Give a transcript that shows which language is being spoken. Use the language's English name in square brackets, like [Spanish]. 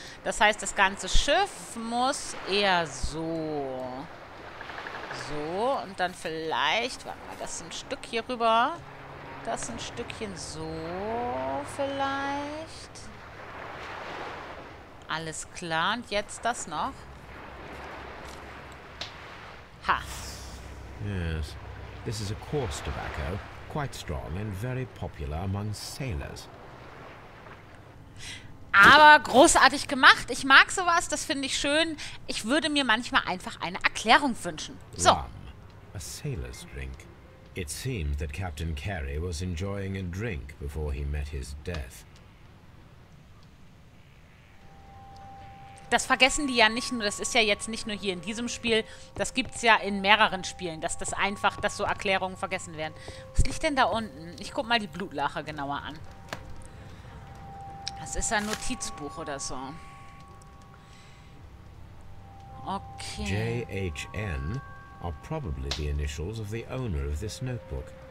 [German] Das heißt, das ganze Schiff muss eher so. So, und dann vielleicht, warte mal, das ein Stück hier rüber. Das ein Stückchen so vielleicht. Alles klar, und jetzt das noch. Ha. [English] Yes, this is a coarse tobacco. Quite strong and very popular among sailors. [German] Aber großartig gemacht. Ich mag sowas, das finde ich schön. Ich würde mir manchmal einfach eine Erklärung wünschen. So. [English] Rum, a sailor's drink. It seems that Captain Carey was enjoying a drink before he met his death. [German] Das vergessen die ja nicht nur, das ist ja jetzt nicht nur hier in diesem Spiel, das gibt's ja in mehreren Spielen, dass das einfach, dass so Erklärungen vergessen werden. Was liegt denn da unten? Ich guck mal die Blutlache genauer an. Das ist ein Notizbuch oder so. Okay. [English] J.H.N. are probably the initials of the owner of this notebook.